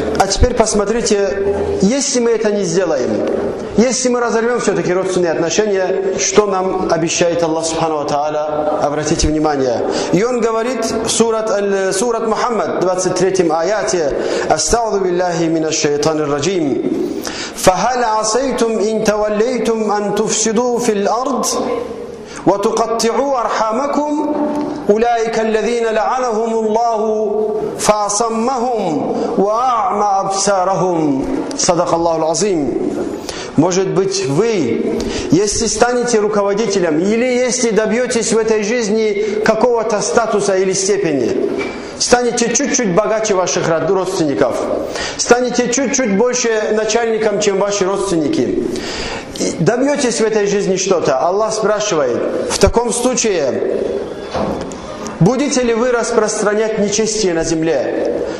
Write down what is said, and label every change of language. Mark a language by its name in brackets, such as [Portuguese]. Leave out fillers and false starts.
[Russian] А теперь посмотрите, если мы это не сделаем, если мы разорвем все-таки родственные отношения, что нам обещает Аллах Субхану ва Тааля, обратите внимание. И он говорит в сурат Мухаммад, 23-м аяте, [Arabic] «Астауду биллахи минаш шайтанир раджим». فهل عصيتم إن توليتم أن تفسدوا في الأرض وتقطعوا أرحامكم أولئك الذين لعنهم الله فأصمهم وأعمى أبصارهم صدق الله العظيم. [Russian] Может быть, вы, если станете руководителем или если добьетесь в этой жизни какого-то статуса или степени, станете чуть-чуть богаче ваших родственников, станете чуть-чуть больше начальником, чем ваши родственники, и добьетесь в этой жизни что-то, Аллах спрашивает, в таком случае, будете ли вы распространять нечестие на земле?